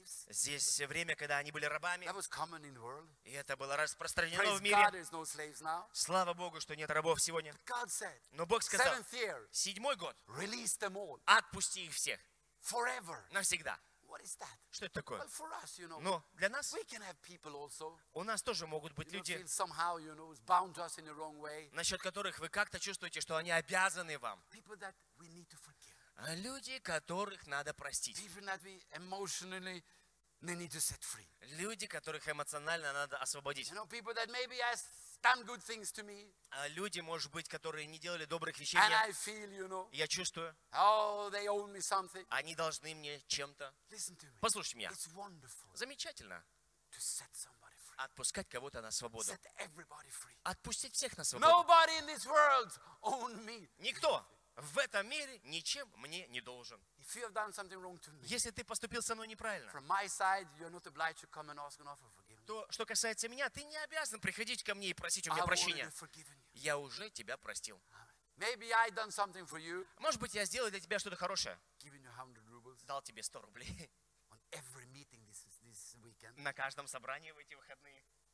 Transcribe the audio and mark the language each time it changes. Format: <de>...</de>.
<ru>Здесь время, когда они были рабами. И это было распространено в мире. Слава Богу, что нет рабов сегодня. Но Бог сказал, 7-й год, отпусти их всех. Навсегда. Что это такое?</ru> <en>Well, for us, you know,</en> <ru>но для нас</ru> <en>we can have people also,</en> <ru>у нас тоже могут быть люди,</ru> <en>somehow, you know, bound to us in the wrong way.</en> <ru>Насчет которых вы как-то чувствуете, что они обязаны вам.</ru> <en>People that we need to forgive.</en> <ru>Люди, которых надо простить.</ru> <en>People that we emotionally need to set free.</en> <ru>Люди, которых эмоционально надо освободить.</ru> <en>You know, people that maybe have done good things to me.</en> <ru>Люди, может быть, которые не делали добрых вещей.</ru> <en>And I feel, you know,</en> <ru>я чувствую.</ru> <en>Oh, they owe me something.</en> <ru>Они должны мне чем-то.</ru> <en>Listen to me.</en> <ru>Послушай меня.</ru> <en>It's wonderful.</en> <ru>Замечательно.</ru> <en>To set somebody free.</en> <ru>Отпускать кого-то на свободу.</ru> <en>Set everybody free.</en> <ru>Отпустить всех на свободу.</ru> <en>Nobody in this world own me.</en> <ru>Никто в этом мире ничем мне не должен.</ru> <en>If you have done something wrong to me,</en> <ru>если ты поступил со мной неправильно,</ru> <en>from my side, you're not obliged to come and ask and offer forgiveness.</en> <ru>То, что касается меня, ты не обязан приходить ко мне и просить у меня прощения.</ru> <en>I've already forgiven you.</en> <ru>Я уже тебя простил.</ru> <en>Maybe I done something for you,</en> <ru>может быть, я сделал для тебя что-то хорошее.</ru> <en>Giving you 100 rubles,</en> <ru>дал тебе 100 рублей.</ru> <en>On every meeting this weekend,</en> <ru>на каждом собрании в эти выходные.</ru>